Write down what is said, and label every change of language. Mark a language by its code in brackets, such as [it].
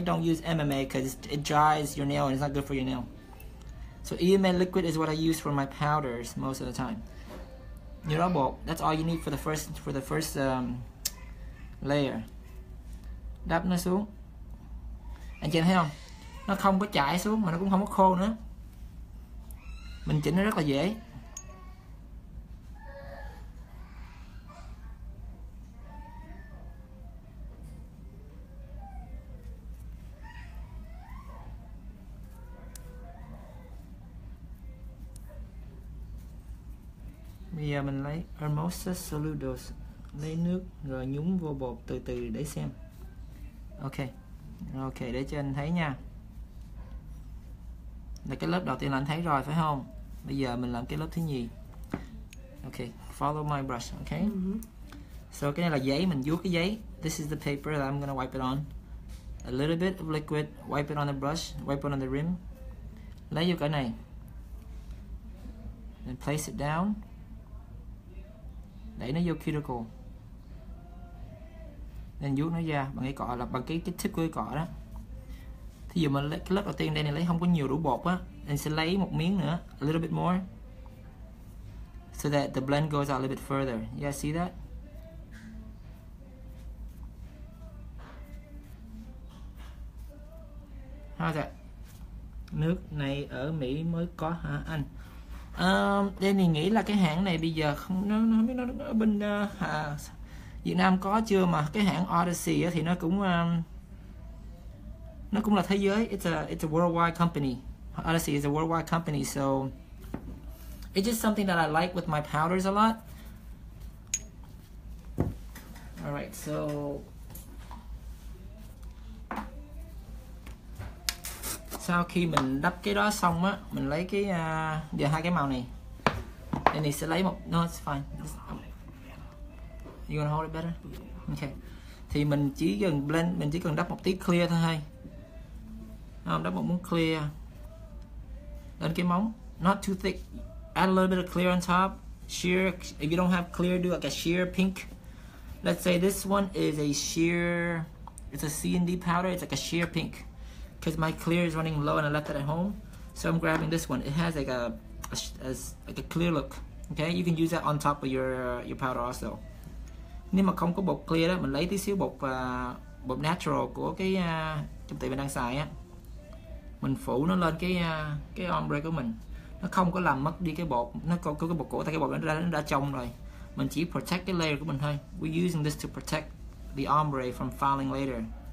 [en] Don't use MMA because it dries your nail and it's not good for your nail. So EMA liquid is what I use for my powders most of the time. You know, well, that's all you need for the first layer. [vi] Đắp nó xuống. Anh chị thấy không? Nó không có chảy xuống mà nó cũng không có khô nữa. Mình chỉnh nó rất là dễ. Bây giờ mình lấy Hermosa Soludos, lấy nước rồi nhúng vô bột từ từ để xem. Ok, ok, để cho anh thấy nha. Là cái lớp đầu tiên là anh thấy rồi phải không? Bây giờ mình làm cái lớp thứ nhì. [en] Ok, follow my brush, ok? So [vi] cái này là giấy, mình vuốt cái giấy. [en] This is the paper that I'm gonna wipe it on. A little bit of liquid, wipe it on the brush, wipe it on the rim. [vi] Lấy vô cái này. [en] Then place it down. [vi] Đẩy nó vô cuticle. Nên vuốt nó ra bằng cái cọ, là bằng cái tip của cái cọ đó. Thí dụ mình lấy cái lớp đầu tiên đây này lấy không có nhiều đủ bột á, nên sẽ lấy một miếng nữa, [en] a little bit more, so that the blend goes out a little bit further. Yeah, see that? How's that? [vi] Nước này ở Mỹ mới có hả anh? Danny nghĩ là cái hãng này bây giờ không, nó không biết nó bên Việt Nam có chưa, mà cái hãng Odyssey thì nó cũng là thế giới. [en] It's a worldwide company. Odyssey is a worldwide company, so it's just something that I like with my powders a lot. Alright, so [vi] sau khi mình đắp cái đó xong á, mình lấy cái giờ hai cái màu này. Anh sẽ lấy một [en] no, it's fine. You wanna hold it better? Okay. [vi] Thì mình chỉ cần blend, mình chỉ cần đắp một tí clear thôi. Đắp một muỗng clear lên cái móng. [en] Not too thick. Add a little bit of clear on top. Sheer. If you don't have clear, do like a sheer pink. Let's say this one is a sheer. It's a C&D powder. It's like a sheer pink. Because my clear is running low and I left it at home, so I'm grabbing this one. It has like a clear look. Okay, you can use that on top of your powder also. [vi] Nếu mà không có bột clear đó, mình lấy tí xíu bột bột natural của cái trong tiệm mình đang xài á, mình phủ nó lên cái ombre của mình. Nó không có làm mất đi cái bột, nó có cái bột cổ, tại cái bột nó đã trong rồi. Mình chỉ protect cái layer của mình thôi. [en] We're using this to protect the ombre from fouling later.